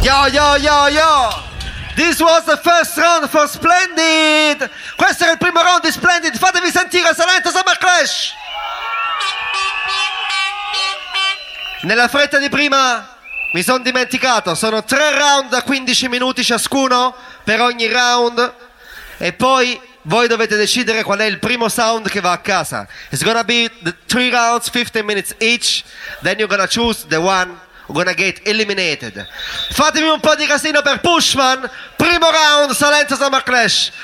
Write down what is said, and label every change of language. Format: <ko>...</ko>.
<en>Yo, yo, yo, yo. This was the first round for Splendid.</en> <it>Questo era il primo round di Splendid. Fatevi sentire Salento Summerclash. Summerclash. Nella fretta di prima mi sono dimenticato, sono 3 round da 15 minuti ciascuno per ogni round e poi voi dovete decidere qual è il primo sound che va a casa.</it> <en>It's gonna be the 3 rounds, 15 minutes each, then you're gonna choose the one who's gonna get eliminated.</en> <it>Fatemi un po' di casino per Pushman, primo round, Salento Summerclash.</it>